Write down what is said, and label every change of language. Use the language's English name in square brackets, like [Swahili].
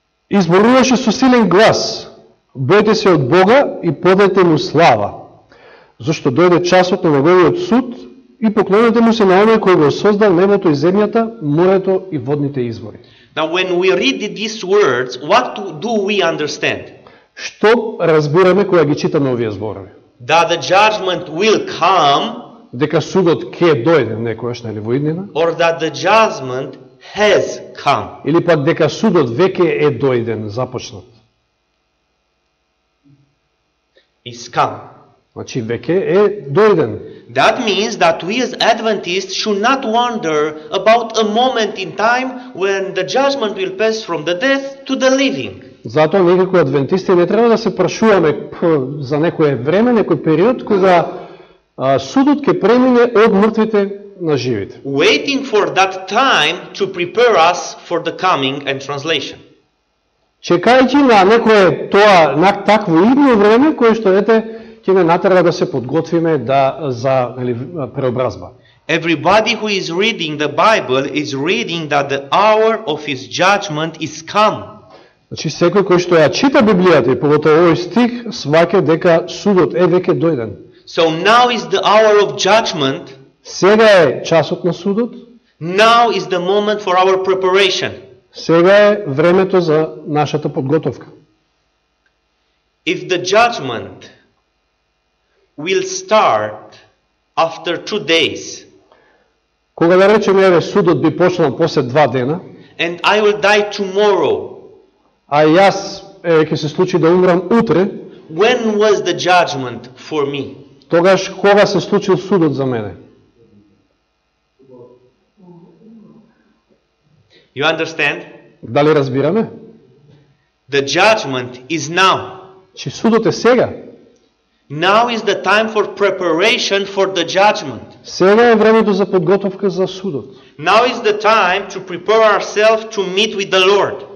[Macedonian] Изборуваше со силен глас, бојте се од Бога и подете му слава, зашто дојде часот на неговиот суд и поклонете му се на оној кој го создал небото и земјата, морето и водните извори. [English] Now when we read these words, what do we understand? [Macedonian] Што разбираме кога ги читаме овие зборови? [English] That the judgment will come, [Macedonian] дека судот ќе дојде некојаш, нели во иднина, [English] or that the judgment has come, [Macedonian] или пак дека судот веќе е дојден, започнат. [English] Is come. [Macedonian] Значи веќе е дојден. [English] That means that we as Adventists should not wonder about a moment in time when the judgment will pass from the death to the living. [Macedonian] Затоа некои адвентисти не треба да се прашуваме за некое време, некој период кога судот ќе премине од мртвите на живите. [English] Waiting for that time to prepare us for the coming and translation. [Macedonian] Чекајќи на некое тоа на такво идно време кое што ете ќе ме натера да се подготвиме да за нали преобразба. [English] Everybody who is reading the Bible is reading that the hour of his judgment is come. [Macedonian] Значи секој кој што ја чита Библијата и поготово овој стих сваќа дека судот е веќе дојден. [English] So now is the hour of judgment. [Macedonian] Сега е часот на судот. [English] Now is the moment for our preparation. [Macedonian] Сега е времето за нашата подготовка. [English] If the judgment will start after 2 days. [Macedonian] Кога да речеме еве судот би почнал после 2 дена. [English] And I will die tomorrow. [Macedonian] А јас ќе се случи да умрам утре. [English] When was the judgment for me? [Macedonian] Тогаш кога се случил судот за мене? [English] You understand? [Macedonian] Дали разбираме? [English] The judgment is now. [Macedonian] Чи судот е сега? [English] Now is the time for preparation for the judgment. [Macedonian] Сега е времето за подготовка за судот. [English] Now is the time to prepare ourselves to meet with the Lord.